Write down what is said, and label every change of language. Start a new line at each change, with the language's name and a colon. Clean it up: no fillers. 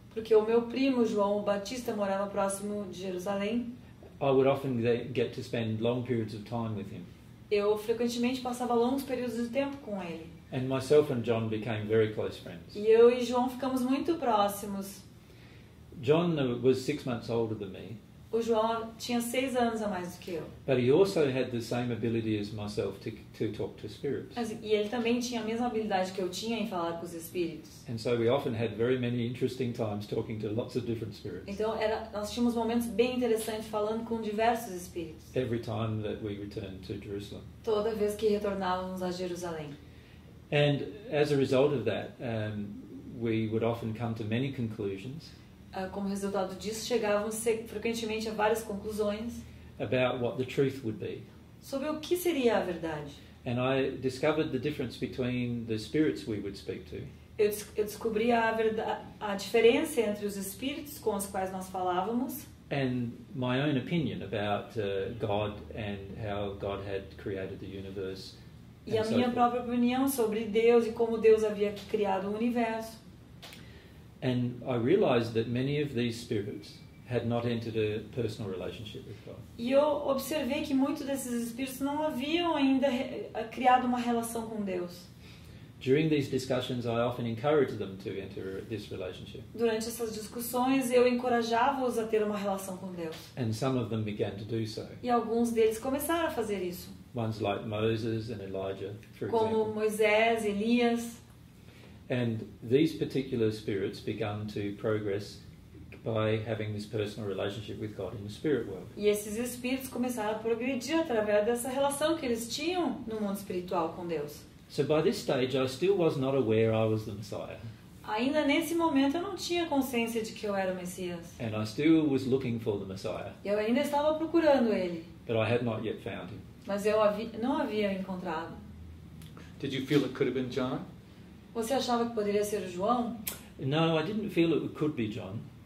Portuguese: Porque o meu primo João Batista morava próximo de Jerusalém.
English: I would often get to spend long periods of time with him.
Portuguese: Eu frequentemente passava longos períodos de tempo com ele.
English: And myself and John became very close friends.
Portuguese: E eu e João ficamos muito próximos.
English: John was 6 months older than me.
Portuguese: O João tinha 6 anos a mais do que eu.
English: But he also had the same ability as myself to talk to spirits.
Portuguese: E ele também tinha a mesma habilidade que eu tinha em falar com os espíritos.
English: And so we often had very many interesting times talking to lots of different spirits.
Portuguese: Então nós tínhamos momentos bem interessantes falando com diversos espíritos.
English: Every time that we returned to Jerusalem.
Portuguese: Toda vez que retornávamos a Jerusalém.
English: And as a result of that, we would often come to many conclusions.
Portuguese: Como resultado disso, chegávamos frequentemente a várias conclusões
English: about what the truth would be.
Portuguese: Sobre o que seria a verdade.
English: And I discovered the difference between the spirits we would speak to.
Portuguese: Eu descobri a diferença entre os espíritos com os quais nós falávamos
English: and my own opinion about God and how God had created the universe.
Portuguese: E a minha própria opinião sobre Deus e como Deus havia criado o universo.
English: And I realized that many of these spirits had not entered a personal relationship with God.
Portuguese: E eu observei que muitos desses espíritos não haviam ainda criado uma relação com Deus.
English: During these discussions, I often encouraged them to enter this relationship.
Portuguese: Durante essas discussões, eu encorajava-os a ter uma relação com Deus.
English: And some of them began to do so.
Portuguese: E alguns deles começaram a fazer isso.
English: Ones like Moses and Elijah, for
Portuguese: como
English: example.
Portuguese: Moisés, Elias.
English: And these particular spirits began to progress by having this personal relationship with God in the spirit world.
Portuguese: E esses espíritos começaram a progredir através dessa relação que eles tinham no mundo espiritual com Deus.
English: So by this stage, I still was not aware I was the Messiah.
Portuguese: Ainda nesse momento, eu não tinha consciência de que eu era o Messias.
English: And I still was looking for the Messiah.
Portuguese: Eu ainda estava procurando ele.
English: But I had not yet found him.
Portuguese: Mas eu não havia encontrado.
English: Did you feel it could have been John?
Portuguese: Você achava que poderia ser o João?
English: No, I didn't feel it could be John.